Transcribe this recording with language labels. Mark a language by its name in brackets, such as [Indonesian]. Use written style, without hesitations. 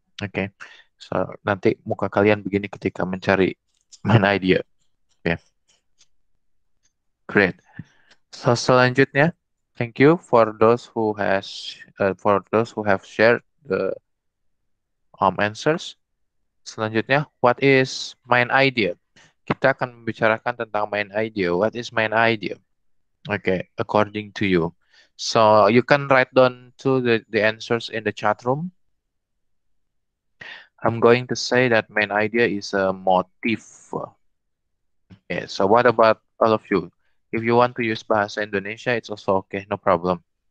[Indonesian] Okay. So, nanti muka kalian begini ketika mencari main idea. [English] Yeah. Great. So, selanjutnya, thank you for those who has for those who have shared the answers. Selanjutnya, what is main idea? [Indonesian] Kita akan membicarakan tentang main idea. [English] What is main idea? Okay, according to you. So, you can write down to the answers in the chat room. I'm going to say that main idea is a motif. Okay, so what about all of you? If you want to use Bahasa Indonesia, it's also okay, no problem.